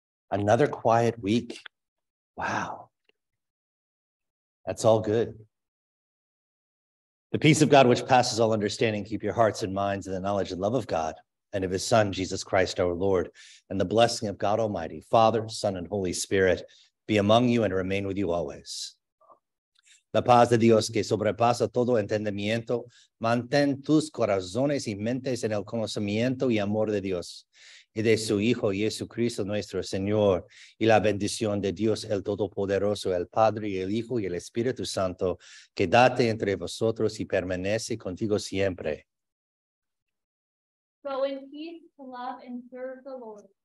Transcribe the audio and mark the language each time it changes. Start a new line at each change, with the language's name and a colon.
English: Another quiet week. Wow. That's all good. The peace of God, which passes all understanding, keep your hearts and minds in the knowledge and love of God and of his Son, Jesus Christ our Lord, and the blessing of God Almighty, Father, Son, and Holy Spirit, be among you and remain with you always.
Spanish: La paz de Dios que sobrepasa todo entendimiento, mantén tus corazones y mentes en el conocimiento y amor de Dios y de su Hijo Jesucristo nuestro Señor, y la bendición de Dios el Todopoderoso, el Padre, el Hijo y el Espíritu Santo, que date entre vosotros y permanece contigo siempre.
English: Go in peace to love and serve the Lord.